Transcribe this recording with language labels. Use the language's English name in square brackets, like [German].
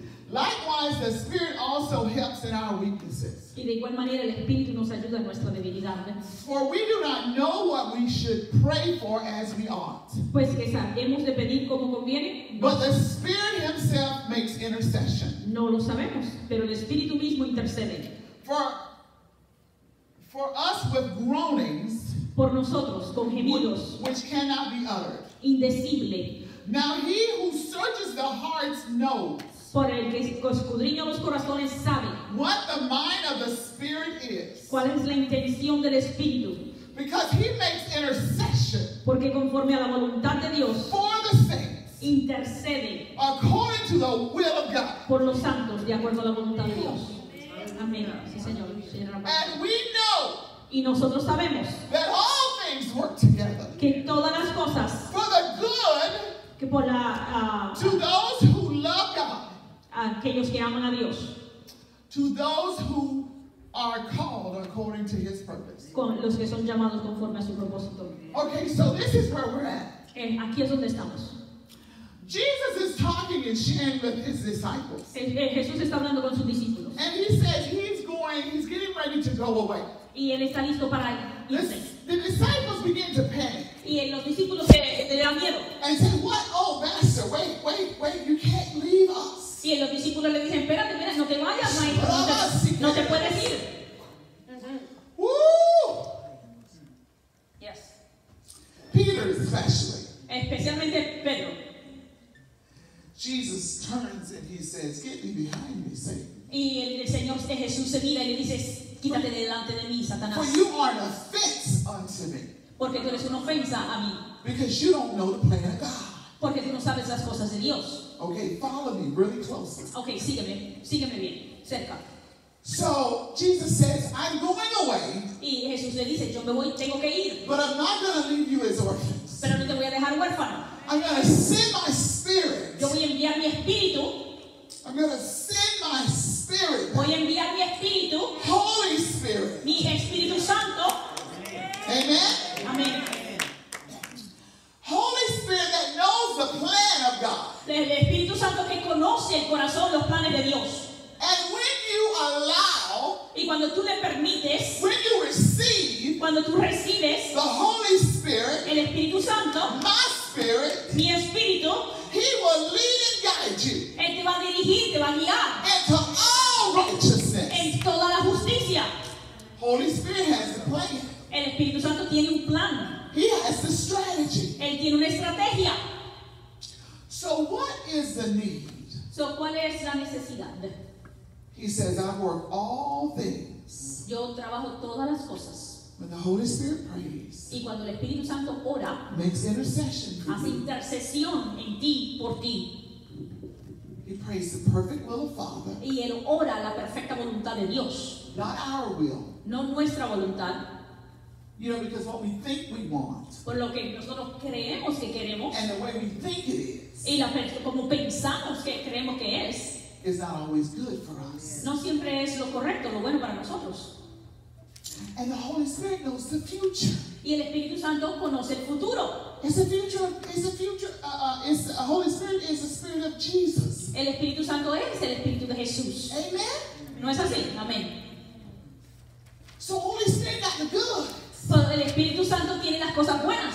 [English] Likewise, the Spirit also helps in our weaknesses. [Spanish] Y de igual manera, el Espíritu nos ayuda en nuestra debilidad. [English] For we do not know what we should pray for as we ought. [Spanish] Pues que sabemos de pedir como conviene. [English] But the Spirit himself makes intercession. [Spanish] No lo sabemos, pero el Espíritu mismo intercede. [English] For us with groanings. [Spanish] Por nosotros, con gemidos. [English] Which cannot be uttered. [Spanish] Indecible. [English] Now he who searches the hearts knows. [Spanish] Por el que escudriña los corazones sabe. [English] What the mind of the Spirit is. [Spanish] ¿Cuál es la intención del Espíritu? [English] Because he makes intercession. [Spanish] Porque conforme a la voluntad de Dios. [English] For the saints. [Spanish] Intercede. [English] According to the will of God. [Spanish] Por los santos, de acuerdo a la voluntad de Dios. Amén. Sí, Señor. [English] And we know. [Spanish] Y nosotros sabemos. [English] That all things work together. [Spanish] Que todas las cosas. [English] For the good. [Spanish] Que por la, [English] to those who love God, [Spanish] aquellos que aman a Dios, [English] to those who are called according to His purpose, [Spanish] con los que son llamados conforme a su propósito. [English] Okay, so this is where we're at. [Spanish] aquí es donde estamos. [English] Jesus is talking and sharing with his disciples. [Spanish] Jesús está hablando con sus discípulos. [English] And he says he's getting ready to go away. [Spanish] Y él está listo para irse. [English] The disciples begin to panic. [Spanish] Y los discípulos se dan miedo. [English] And say, what? Oh, master, wait, you can't leave us. [Spanish] Y los discípulos le dicen, espérate, mira, no te vayas, maestro. No te puedes ir. Woo! [English] Yes. Peter especially. [Spanish] Especialmente Pedro. [English] Jesus turns and he says, get thee behind me, Satan. [Spanish] Y el Señor Jesús se mira y le dice, quítate delante de mí, Satanás. [English] For you are an offense unto me. [Spanish] Porque tú eres una ofensa a mí. [English] Because you don't know the plan of God. [Spanish] Porque tú no sabes las cosas de Dios. [English] Okay, follow me really closely. [Spanish] Okay, sígueme, sígueme bien, cerca. [English] So Jesus says, I'm going away. [Spanish] Y Jesús le dice, yo me voy, tengo que ir. [English] But I'm not going to leave you as orphans. [Spanish] Pero no te voy a dejar huérfano. [English] I'm going to send my spirit. [Spanish] Yo voy a enviar mi espíritu. [English] I'm going to send my spirit. [Spanish] Voy a enviar mi espíritu. [English] Holy Spirit. [Spanish] Mi Espíritu Santo. [English] Amen. [Spanish] Amen. [English] Holy Spirit that knows the plan of God. [Spanish] El Espíritu Santo que conoce el corazón, los planes de Dios. [English] And when you allow, [Spanish] y cuando tú le permites, [English] when you receive, [Spanish] cuando tú recibes, [English] the Holy Spirit, [Spanish] el Espíritu Santo, [English] my spirit, [Spanish] mi espíritu, [English] he will lead and guide you. [Spanish] Él te va a dirigir, te va a guiar. [English] Into all righteousness. [Spanish] En toda la justicia. [English] Holy Spirit has a plan. [Spanish] El Espíritu Santo tiene un plan. [English] He has a strategy. [Spanish] Él tiene una estrategia. [English] So what is the need? [Spanish] So, ¿cuál es la necesidad? [English] He says, I work all things. [Spanish] Yo trabajo todas las cosas. [English] When the Holy Spirit prays. [Spanish] Y cuando el Espíritu Santo ora. [English] Makes intercession for [Spanish] hace [English] you. [Spanish] Intercesión en ti, por ti. [English] He prays the perfect will of Father. [Spanish] Y él ora la perfecta voluntad de Dios. [English] Not our will. [Spanish] No nuestra voluntad. [English] You know, because what we think we want. [Spanish] Por lo que nosotros creemos que queremos. [English] And the way we think it is. [Spanish] Y la, como pensamos que creemos que es, [English] is not always good for us. [Spanish] No siempre es lo correcto, lo bueno para nosotros. [English] And the Holy Spirit knows the future. [Spanish] Y el Espíritu Santo conoce el futuro. [English] The Holy Spirit is the Spirit of Jesus. [Spanish] El Espíritu Santo es el Espíritu de Jesús. [English] Amen. [Spanish] No es así. Amén. [English] So Holy Spirit got the good. [Spanish] Pero el Espíritu Santo tiene las cosas buenas.